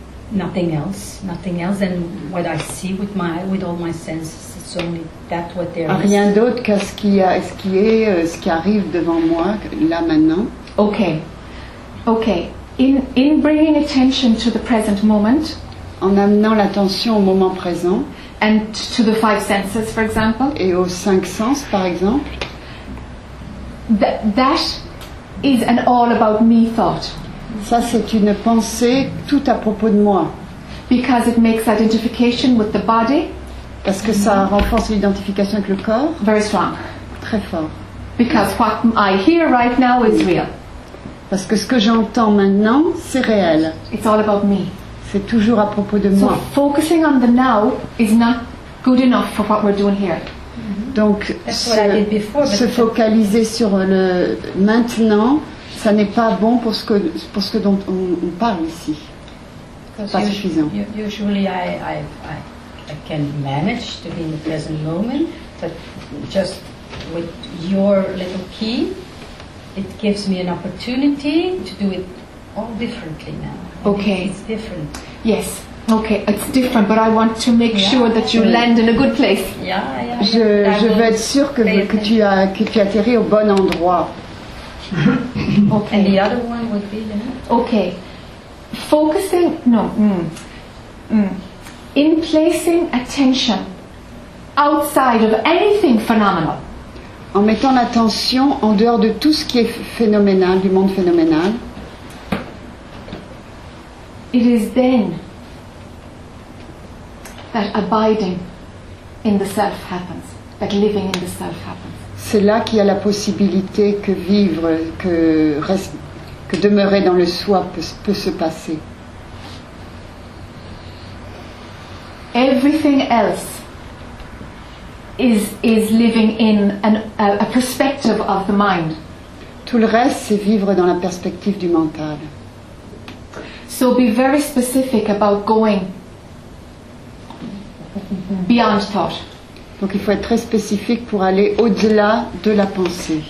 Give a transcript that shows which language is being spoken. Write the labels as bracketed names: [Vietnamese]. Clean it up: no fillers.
[English] Nothing else than what I see with all my senses. It's only that what there is. [French] Rien d'autre que ce qui arrive devant moi là maintenant. [English] Okay. In bringing attention to the present moment. [French] En amenant l'attention au moment présent. [English] And to the five senses, for example. [French] Et aux cinq sens, par exemple. [English] That is an all about me thought. [French] Ça, c'est une pensée tout à propos de moi. [English] Because it makes identification with the body. [French] Parce que ça renforce l'identification avec le corps. [English] Very strong. [French] Très fort. [English] Because what I hear right now is real. [French] Parce que ce que j'entends maintenant, c'est réel. [English] It's all about me. [French] C'est toujours à propos de moi. [English] So focusing on the now is not good enough for what we're doing here. [French] Donc se focaliser sur le maintenant, ça n'est pas bon pour ce que dont on parle ici. Pas suffisant. [English] Usually I can manage to be in the present moment, but just with your little key, it gives me an opportunity to do it all differently now. Okay. It's different. Yes. Okay. It's different, but I want to make sure that you land in a good place. [French] Je veux être sûre que tu atterris au bon endroit. [English] Okay. And the other one would be then. Okay. Focusing. No. In placing attention outside of anything phenomenal. [French] En mettant l'attention en dehors de tout ce qui est phénoménal, du monde phénoménal. [English] It is then that abiding in the self happens, that living in the self happens. [French] C'est là qu'il y a la possibilité que vivre, que demeurer dans le soi peut se passer. [English] Everything else is living in a perspective of the mind. [French] Tout le reste, c'est vivre dans la perspective du mental. [English] So be very specific about going beyond thought. [French] Donc il faut être très spécifique pour aller au-delà de la pensée.